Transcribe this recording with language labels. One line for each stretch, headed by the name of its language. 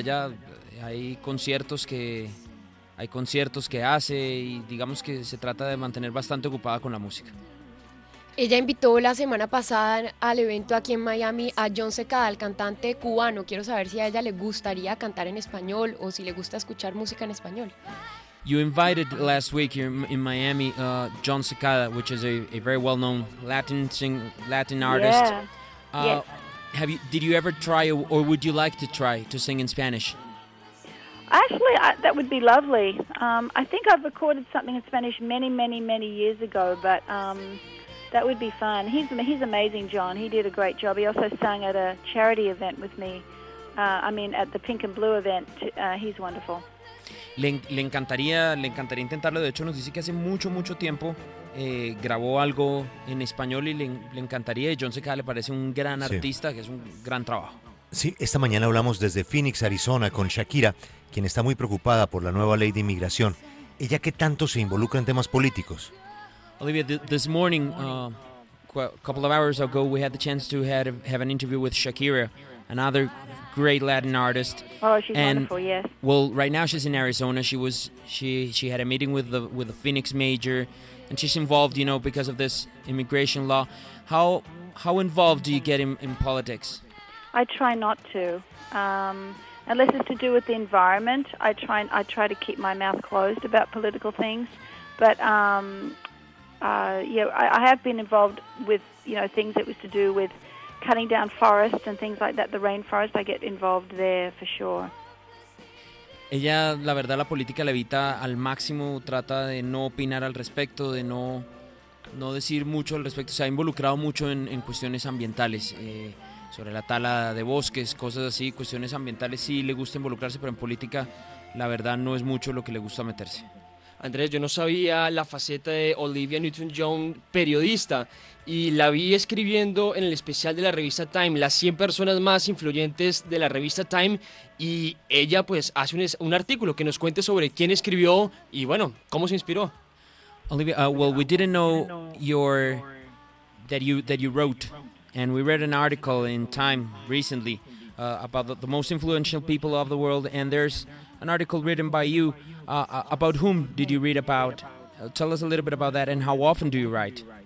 Spanish: Ya hay conciertos que hace, y digamos que se trata de mantener bastante ocupada con la música. Ella invitó la semana pasada al evento aquí en Miami a John Secada, el cantante cubano. Quiero saber si a ella le gustaría cantar en español o si le gusta escuchar música en español.
English: You invited last week here in Miami John Secada, which is a very well-known Latin artist. Yeah. Did you ever try, or would you like to try to sing in Spanish? Actually, that would be lovely. I think I've recorded something in Spanish many, many, many years ago, but that would be fun. He's amazing, John. He did a great job. He also sang at a charity event with me. At the Pink and Blue event. He's wonderful.
Spanish: Le encantaría intentarlo. De hecho, nos dice que hace mucho, mucho tiempo grabó algo en español y le encantaría. Y John Secada le parece un gran artista, sí, que es un gran trabajo. Sí, esta mañana hablamos desde Phoenix, Arizona, con Shakira, quien está muy preocupada por la nueva ley de inmigración. ¿Ella qué tanto se involucra en temas políticos?
English: Olivia, this morning, a couple of hours ago, we had the chance to have an interview with Shakira, another great Latin artist. Oh, she's and, wonderful, yes. Well, right now she's in Arizona. She had a meeting with the Phoenix mayor, and she's involved, you know, because of this immigration law. How involved do you get in politics? I try not to. Unless it's to do with the environment, I try to keep my mouth closed about political things. But I have been involved with, you know, things that was to do with cutting down forests and things like that, the rainforest, I get involved there for sure.
Spanish: Ella, la verdad, la política la evita al máximo, trata de no opinar al respecto, de no decir mucho al respecto. Se ha involucrado mucho en cuestiones ambientales, sobre la tala de bosques, cosas así, cuestiones ambientales sí le gusta involucrarse, pero en política la verdad no es mucho lo que le gusta meterse. Andrés, yo no sabía la faceta de Olivia Newton-John, periodista, y la vi escribiendo en el especial de la revista Time, las 100 personas más influyentes de la revista Time, y ella pues hace un artículo que nos cuente sobre quién escribió y bueno, cómo se inspiró.
English: Olivia, well, we didn't know that you wrote, and we read an article in Time recently about the most influential people of the world, and there's an article written by you. About whom did you read about? Tell us a little bit about that, and how often do you write?